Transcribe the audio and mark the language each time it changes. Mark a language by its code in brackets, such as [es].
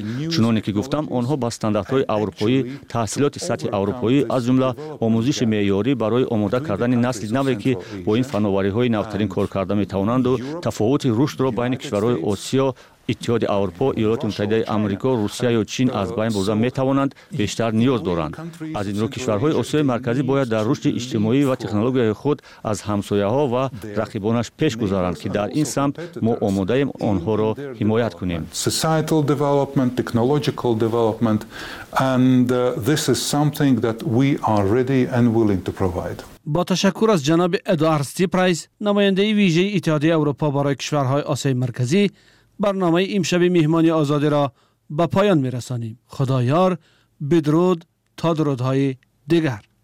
[fa] چنانی که گفتم آنها با استانداردهای اروپایی، تحصیلات سطح اروپایی از جمله آموزش معیاری برای آماده کردن نسل نوی که با این فناوری های نوترین کار کرده میتوانند و تفاوت رشد را بین کشورهای آسیا، اتحاد اروپا، ایالات متحده آمریکا، روسیه یا چین از بین برده میتوانند بیشتر نیاز دارند. از این رو کشورهای آسیای مرکزی باید در رشد اجتماعی و تکنولوژی خود از همسایه‌ها و رقیبانش پیش گذارند که در این سمت ما آماده ایم آنها را حمایت کنیم. [en] Societal development, technological development, and this is something that we are ready and willing to provide. [fa] با تشکر از جناب ادوارد سیپرایس، نماینده ویژه اتحادیه اروپا برای کشورهای آسیای مرکزی، برنامه امشب مهمانی آزادی را به پایان می رسانیم. خدا یار، بدرود تا درودهای دیگر.